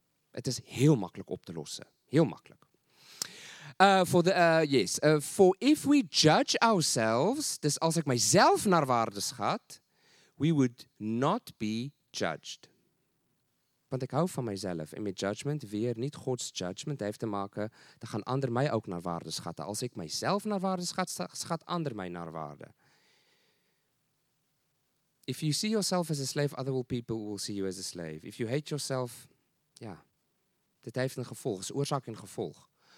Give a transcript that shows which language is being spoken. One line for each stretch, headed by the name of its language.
Dutch: Het is heel makkelijk op te lossen. Heel makkelijk.
English: For if we judge ourselves,
Dutch: dus als ik mijzelf naar waarde schat,
English: we would not be judged.
Dutch: Want ik hou van mijzelf. En met judgment, weer niet Gods judgment, heeft te maken, dan gaan anderen mij ook naar waarde schatten. Als ik mijzelf naar waarde schat, schat anderen mij naar waarde.
English: If you see yourself as a slave, other people will see you as a slave. If you hate yourself,
Dutch: ja, dit heeft een gevolg, is oorzaak en gevolg.